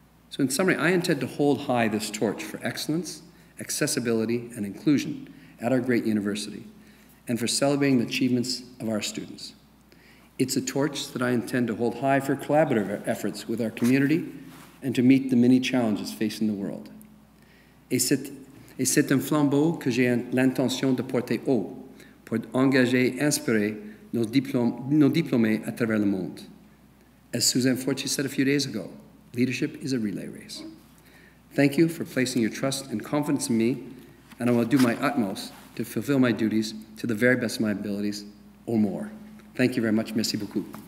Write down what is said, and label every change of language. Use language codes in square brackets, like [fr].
[en] So in summary, I intend to hold high this torch for excellence, accessibility, and inclusion at our great university and for celebrating the achievements of our students. It's a torch that I intend to hold high for collaborative efforts with our community and to meet the many challenges facing the world. [fr] Et c'est un flambeau que j'ai l'intention de porter haut pour engager, inspirer nos diplômés à travers le monde. [en] As Suzanne Fortier said a few days ago, leadership is a relay race. Thank you for placing your trust and confidence in me, and I will do my utmost to fulfill my duties to the very best of my abilities or more. Thank you very much. [fr] Merci beaucoup.